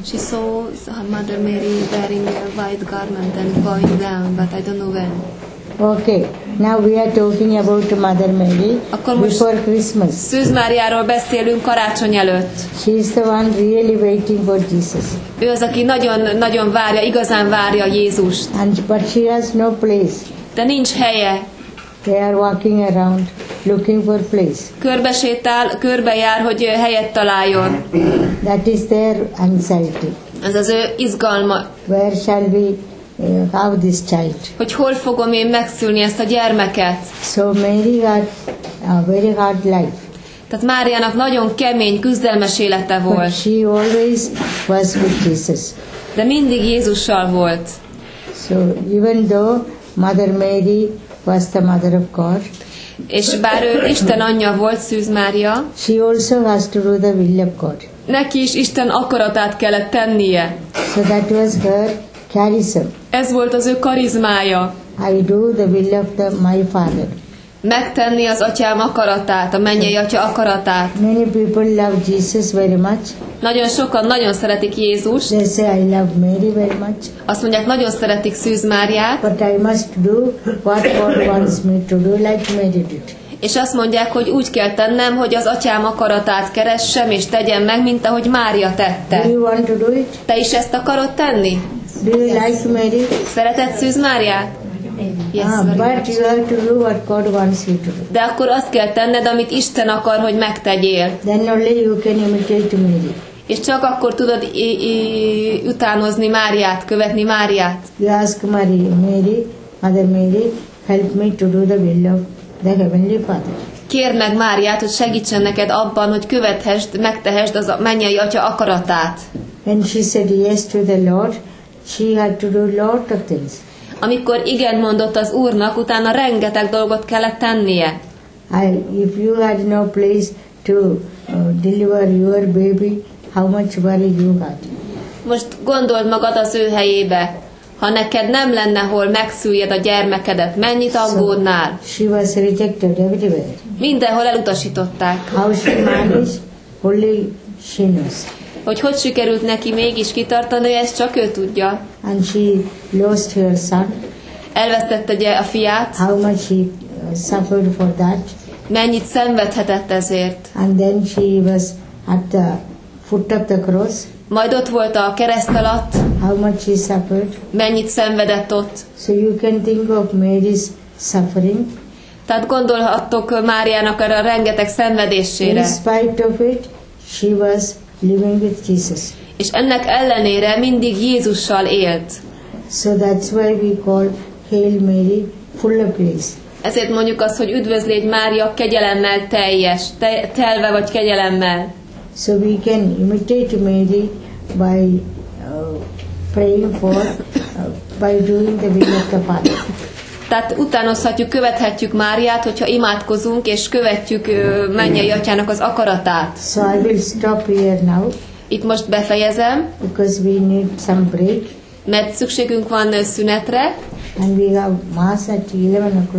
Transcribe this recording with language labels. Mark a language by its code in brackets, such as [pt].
[en] She saw her Mother Mary wearing a white garment and going down, but I don't know when. Okay, now we are talking about Mother Mary. [hu] Akkor [en] before Christmas. [hu] Szűz Máriáról beszélünk karácsony előtt. [en] She is the one really waiting for Jesus. [hu] Ő az, aki nagyon-nagyon várja, igazán várja Jézust. [en] And, but she has no place. [hu] De nincs helye. [en] They are walking around looking for place. [hu] Körbe sétál, körbe jár, hogy helyet találjon. [en] That is their anxiety. [hu] Ez az ő izgalma. [en] Where shall we have this child? [hu] Hogy hol fogom én megszülni ezt a gyermeket? [en] So Mary had a very hard life. [hu] Tehát Máriának nagyon kemény, küzdelmes élete volt. [en] But she always was with Jesus. [hu] De mindig Jézussal volt. [en] So even though Mother Mary was the mother of God. [hu] És bár ő Isten anyja volt, Szűz Mária. [en] She also has to do the will of God. [hu] Neki is Isten akaratát kellett tennie. [en] So that was her charism. [hu] Ez volt az ő karizmája. [en] I do the will of the my father. [hu] Megtenni az atyám akaratát, a mennyei atya akaratát. [en] Many people love Jesus very much. [hu] Nagyon sokan nagyon szeretik Jézust. [en] They say I love Mary very much. [hu] Azt mondják, nagyon szeretik Szűz Máriát. [en] But I must do what God wants me to do, like Mary did. [hu] És azt mondják, hogy úgy kell tennem, hogy az atyám akaratát keressem, és tegyem meg, mint ahogy Mária tette. [en] Do you want to do it? [hu] Te is ezt akarod tenni? [en] Do you like Mary? [hu] Szereted Szűz Máriát? [en] Yes, [hu] de akkor azt kell tenned, amit Isten akar, hogy megtegyél. [en] Then only you can imitate Mary. [hu] És csak akkor tudod utánozni Máriát, követni Máriát. [en] You ask Mary, Mother Mary, help me to do the will of the Heavenly Father. [hu] Kérd meg Máriát, hogy segítsen neked abban, hogy követhesd, megtehesd az a mennyei atya akaratát. [en] When she said yes to the Lord, She had to do a lot of things. [hu] Amikor igen mondott az Úrnak, utána rengeteg dolgot kellett tennie. [en] If you had no place to deliver your baby, how much worry you had? [hu] Most gondold magad az ő helyébe. Ha neked nem lenne hol megszüljed a gyermekedet, mennyit aggódnál? [en] So she was rejected everywhere. [hu] Mindenhol elutasították. [en] How she managed? Only she knows. [hu] Hogy sikerült neki mégis kitartani, ezt csak ő tudja. [en] And she lost her son. [hu] Elvesztette a fiát. [en] How much she suffered for that. [hu] Mennyit szenvedhetett ezért. [en] And then she was at the foot of the cross. [hu] Majd ott volt a kereszt alatt. [en] How much she suffered. [hu] Mennyit szenvedett ott. [en] So you can think of Mary's suffering. [hu] Tehát gondolhattok Máriának erre a rengeteg szenvedésére. [en] In spite of it, she was living with Jesus. [hu] És ennek ellenére mindig Jézussal élt. [en] So that's why we call Hail Mary, full of grace. [hu] Ezért mondjuk azt, hogy üdvözlégy Mária, kegyelemmel teljes, telve vagy kegyelemmel. [en] So we can imitate Mary by praying for, by doing the will of the Father. [hu] Tehát utánozhatjuk, követhetjük Máriát, hogyha imádkozunk, és követjük mennyei atyának az akaratát. [en] So I will stop here now. [hu] Itt most befejezem. [en] Because we need some break. [hu] Mert szükségünk van szünetre. [en] And we have mass at 11 o'clock.